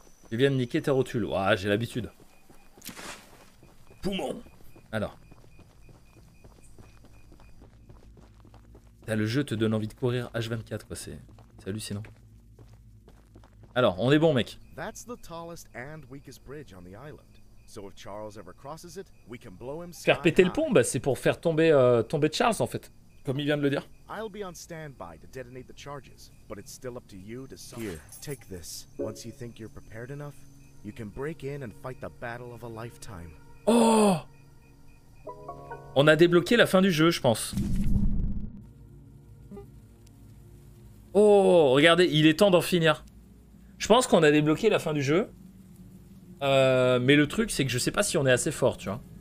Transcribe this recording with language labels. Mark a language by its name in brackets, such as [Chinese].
[French] Tu viens de niquer tes rotules. Ouah, j'ai l'habitude. Poumon. Alors. T'as le jeu te donne envie de courir H24, quoi, c'est... C'est hallucinant. Alors, on est bon, mec. [English] That's the tallest and weakest bridge on the island. So if Charles ever crosses it, we can blow him sky high. [French] Faire péter le pont, bah, c'est pour faire tomber Charles, en fait. Comme il vient de le dire. [English] I'll be on standby to detonate the charges, but it's still up to you to suffer. Here, take this. Once you think you're prepared enough, you can break in and fight the battle of a lifetime. Oh! [French] On a débloqué la fin du jeu, je pense. Oh, regardez, il est temps d'en finir. Je pense qu'on a débloqué la fin du jeu. Mais le truc, c'est que je sais pas si on est assez fort, tu vois.